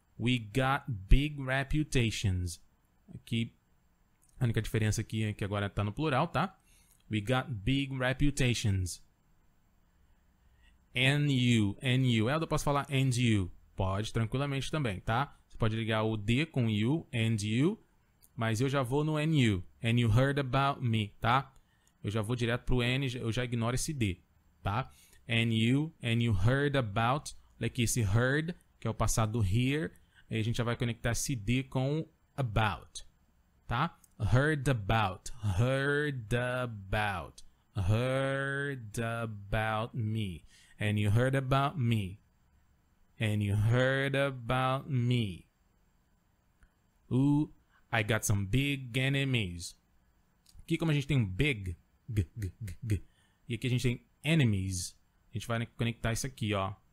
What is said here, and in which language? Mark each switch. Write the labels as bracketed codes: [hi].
[en] We got big reputations. [pt] Aqui, a única diferença aqui é que agora tá no plural, tá? [en] We got big reputations. And you, [pt] eu posso falar [en] and you. [pt] Pode, tranquilamente também, tá? Você pode ligar o D com you, and you. Mas eu já vou no and you. [en] And you heard about me, tá? [pt] Eu já vou direto pro N, eu já ignoro esse D, tá? [en] And you heard about. [pt] Olha aqui, esse heard, que é o passado do hear. Aí a gente já vai conectar esse D com about, tá? [en] Heard about, heard about, heard about me. And you heard about me. And you heard about me. Ooh, I got some big enemies. [pt] Aqui como a gente tem um big, g, e aqui a gente tem enemies, a gente vai conectar isso aqui, ó.